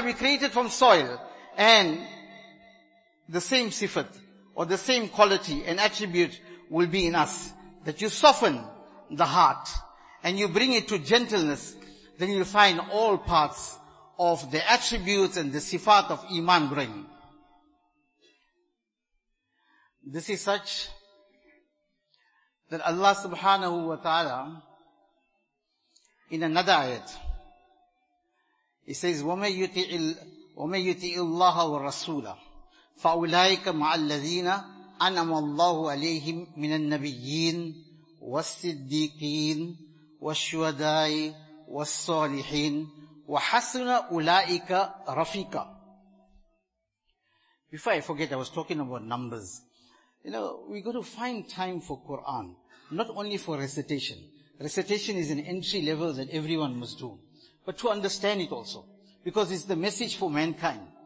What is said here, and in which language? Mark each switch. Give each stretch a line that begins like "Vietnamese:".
English: We created from soil and the same sifat or the same quality and attribute will be in us. That you soften the heart and you bring it to gentleness, then you'll find all parts of the attributes and the sifat of Iman growing. This is such that Allah subhanahu wa ta'ala in another ayat, he says,
Arabic: وَمَن يُطِعِ اللَّهَ وَالرَّسُولَ فَأُولَٰئِكَ مَعَ الَّذِينَ أَنْعَمَ اللَّهُ عَلَيْهِمْ مِنَ النَّبِيِّينَ وَالصِّدِّيقِينَ وَالشُّهَدَاءِ وَالصَّالِحِينَ وَحَسُنَ أُولَٰئِكَ رَفِيقًا.
English: Before I forget, I was talking about numbers. You know, we got to find time for Quran, not only for recitation. Recitation is an entry level that everyone must do, but to understand it also, because it's the message for mankind.